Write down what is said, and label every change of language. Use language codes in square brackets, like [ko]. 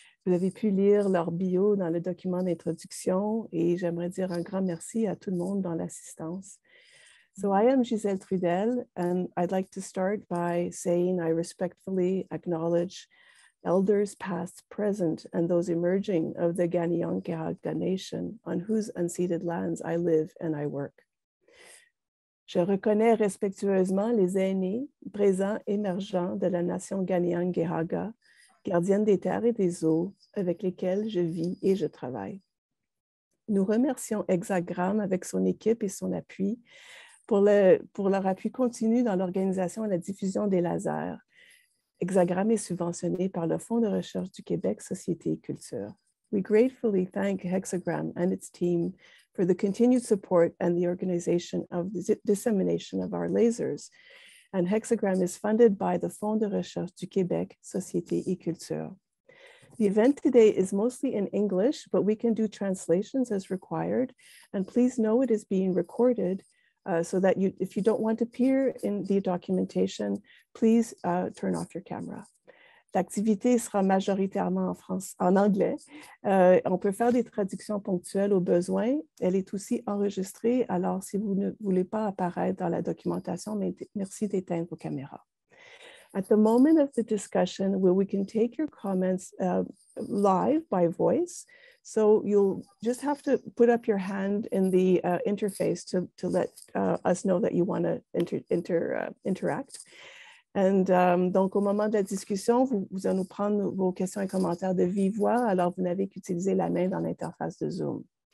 [fr] Vous avez pu lire leur bio dans le document d'introduction et j'aimerais dire un grand merci à tout le monde dans l'assistance. [en] So I am Gisèle Trudel and I'd like to start by saying I respectfully acknowledge elders past, present and those emerging of the Ganyangkeagda Nation on whose unceded lands I live and I work. [fr] Je reconnais respectueusement les aînés, présents, émergents de la nation Ganyangkeagda, gardienne des terres et des eaux avec lesquelles je vis et je travaille. Nous remercions Hexagram avec son équipe et son appui pour leur appui continu dans l'organisation et la diffusion des lasers. Hexagram est subventionné par le Fonds de recherche du Québec Société et Culture. [en] We gratefully thank Hexagram and its team for the continued support and the organization of the dissemination of our lasers. And Hexagram is funded by the Fonds de recherche du Québec, Société et Culture. The event today is mostly in English, but we can do translations as required. And please know it is being recorded so that you, if you don't want to appear in the documentation, please turn off your camera. [fr] L'activité sera majoritairement en anglais. On peut faire des traductions ponctuelles au besoin. Elle est aussi enregistrée, alors si vous ne voulez pas apparaître dans la documentation, merci d'éteindre vos caméras. [en] At the moment of the discussion, where we can take your comments live by voice, so you'll just have to put up your hand in the interface to let us know that you want to interact. [fr] And donc, au moment de la discussion, vous allez nous prendre vos questions et commentaires de vive voix, alors vous n'avez qu'utiliser la main dans l'interface de Zoom.